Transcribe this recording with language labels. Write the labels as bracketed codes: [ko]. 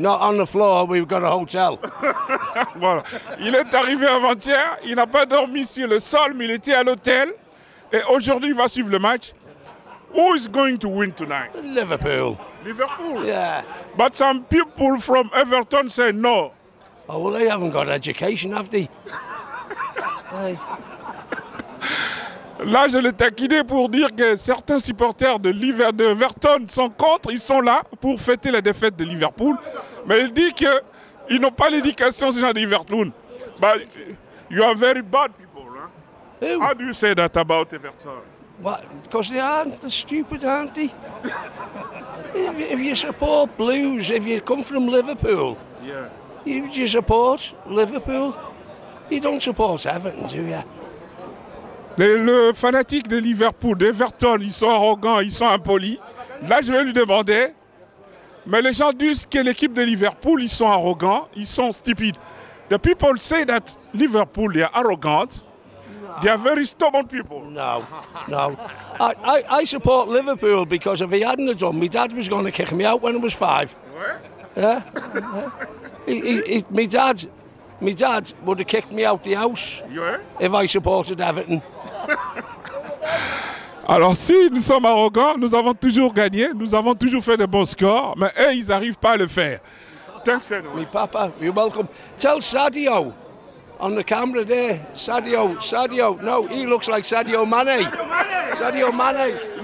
[en] Not on the floor, we've got a hotel. [fr] Voilà. Il est arrivé avant-hier, il n'a pas dormi sur le sol, mais il était à l'hôtel. Et aujourd'hui, il va suivre le match. [en] Who is going to win tonight? Liverpool. Liverpool? Yeah. But some people from Everton say no. Oh, well, they haven't got education, have they? Hey. [fr] Là, je l'ai taquiné pour dire que certains supporters de Everton sont contre. Ils sont là pour fêter la défaite de Liverpool. Mais il dit qu'ils n'ont pas l'éducation, ces gens de Everton. [en] But you are very bad people. Huh? Who? How do you say that about Everton? What? Because they aren't the stupid, aren't they? if you support Blues, if you come from Liverpool, yeah. you support Liverpool. You don't support Everton, do you? [fr] Le fanatique de Liverpool, d'Everton, ils sont arrogants, ils sont impolis. Là, je vais lui demander. Mais les gens disent que l'équipe de Liverpool, ils sont arrogants, ils sont stupides. [en] The people say that Liverpool, they are arrogant. No. They are very stubborn people. No. I support Liverpool because if he hadn't have done, my dad was going to kick me out when I was 5. Where? Yeah. My dad would have kicked me out the house if I supported Everton. [fr] Alors si nous sommes arrogants, nous avons toujours gagné, nous avons toujours fait de bons scores, mais eux, ils n'arrivent pas à le faire. [en] Thanks anyway. My papa, you're welcome. Tell Sadio on the camera there. Sadio. No, he looks like Sadio Mane. Sadio Mane.